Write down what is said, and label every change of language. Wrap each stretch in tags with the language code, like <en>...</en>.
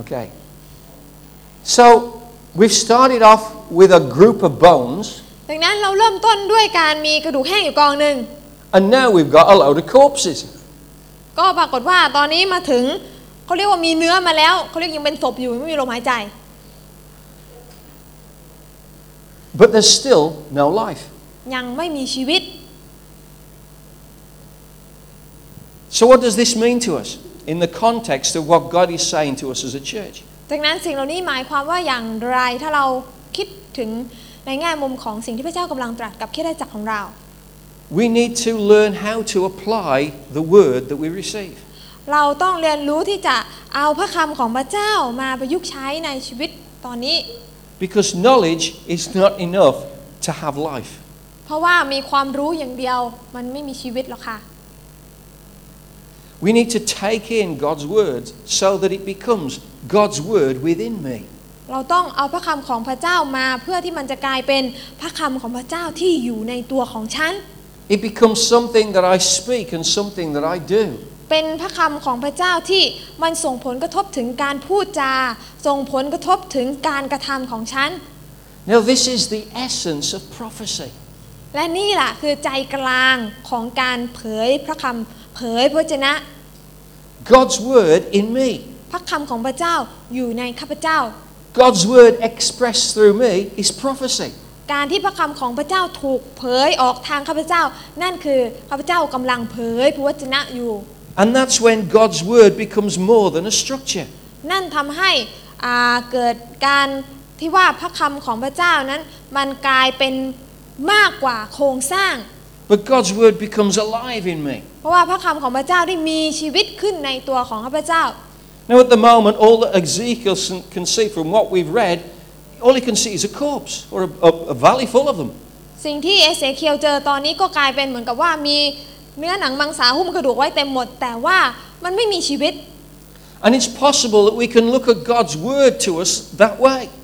<en>Okay So we've started off with a group of bones</en> <th>ดังนั้นเราเริ่มต้นด้วยการมีกระดูกแห้งอยู่กองหนึ่ง</th> <en>And now we've got a load of corpses</en> <th>ก็ปรากฏว่าตอนนี้มาถึงเขาเรียกว่ามีเนื้อมาแล้วเขาเรียกยังเป็นศพอยู่ไม่มีลมหายใจ</th> <en>But there's still no life</en> <th>ยังไม่มีชีวิต</th> <en>So what does this mean to us in the context of what God is saying to us as a church</en> <th>ดังนั้นสิ่งเหล่านี้หมายความว่าอย่างไรถ้าเราคิดถึงในแง่มุมของสิ่งที่พระเจ้ากำลังตรัสกับคริสตจักรของเรา</th> <en>We need to learn how to apply the word that we receive</en> <th>เราต้องเรียนรู้ที่จะเอาพระคำของพระเจ้ามาประยุกต์ใช้ในชีวิตตอนนี้</th> <en>Because knowledge is not enough to have life</en> <th>เพราะว่ามีความรู้อย่างเดียวมันไม่มีชีวิตหรอกค่ะ</th> <en>We need to take in God's words so that it becomes God's word within me</en> <th>เราต้องเอาพระคำของพระเจ้ามาเพื่อที่มันจะกลายเป็นพระคำของพระเจ้าที่อยู่ในตัวของฉัน</th> <en>It becomes something that I speak and something that I do</en> <th>เป็นพระคำของพระเจ้าที่มันส่งผลกระทบถึงการพูดจาส่งผลกระทบถึงการกระทำของฉัน</th> <en>Now this is the essence of prophecy</en> <th>และนี่ล่ะคือใจกลางของการเผยพระคำเผยพระวจนะ</th> <en>God's word in me</en> <th>พระคำของพระเจ้าอยู่ในข้าพเจ้า</th> <en>God's word expressed through me is prophecy</en> <th>การที่พระคำของพระเจ้าถูกเผยออกทางข้าพเจ้านั่นคือข้าพเจ้ากำลังเผยพระวจนะอยู่</th> <en>And that's when God's word becomes more than a structure.</en> <th>นั่นทำให้เกิดการที่ว่าพระคำของพระเจ้านั้นมันกลายเป็นมากกว่าโครงสร้าง</th> <en>But God's word becomes alive in me.</en> <th>เพราะว่าพระคำของพระเจ้าได้มีชีวิตขึ้นในตัวของข้าพเจ้า</th> <en>Now at the moment, all that Ezekiel can see from what we've read, all he can see is a corpse or a valley full of them.</en> <th>สิ่งที่เอเซเคียลเจอตอนนี้ก็กลายเป็นเหมือนกับว่ามีเนื้อหนังมังสาหุ้มกระดูกไว้เต็มหมดแต่ว่ามันไม่มีชีวิต</th> <en>And it's possible that we can look at God's word to us that way</en>